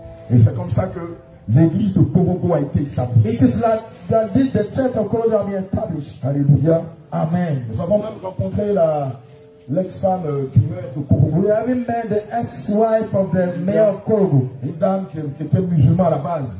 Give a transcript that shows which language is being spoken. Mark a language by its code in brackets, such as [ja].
[fr] Et c'est comme ça que l'église de Korobo a été établie. [en] It is like that the church of Korobo has been established. Hallelujah. Amen. [fr] Nous avons même rencontré l'ex-femme du maire de Korobo. [en] We have met the ex-wife of the mayor of Korobo. [fr] Une dame qui était musulmane à la base.